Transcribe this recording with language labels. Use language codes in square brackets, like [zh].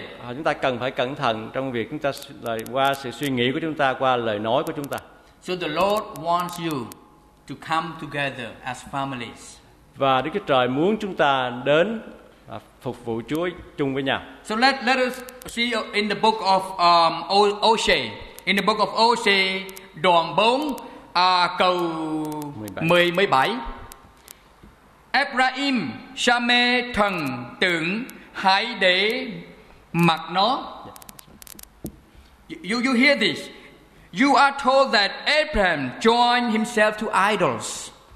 [vi] Chúng ta cần phải cẩn thận trong việc chúng ta qua sự suy nghĩ của chúng ta, qua lời nói của chúng ta. [en] So the Lord wants you to come together as families. [vi] Và Đức Chúa Trời muốn chúng ta đến phục vụ Chúa chung với nhau. [en] So let us see in the book of in the book of Hosea [vi] đoạn 4 câu 17. Ephraim sa mê thần tượng, hãy để mặc nó. [en] You hear this? You are told that Ephraim joined himself to idols.